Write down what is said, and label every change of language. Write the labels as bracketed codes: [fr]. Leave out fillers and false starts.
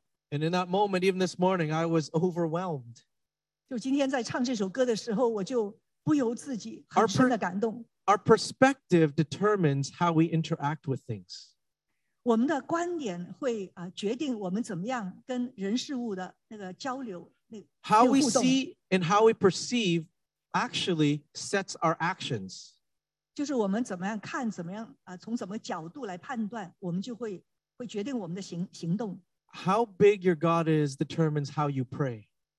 [en] And in that moment, even this morning, I was overwhelmed. [zh] 就今天在唱这首歌的时候, 我就不由自己很深的感动。 [en] Our perspective determines how we interact with things. [zh] 我们的观点会, 决定我们怎么样跟人事物的那个交流, 那个互动。 [en] How we see and how we perceive actually sets our actions. [zh] 就是我们怎么样看,怎么样, 从怎么角度来判断, 我们就会决定我们的行动。 [en] How big your God is determines how you pray.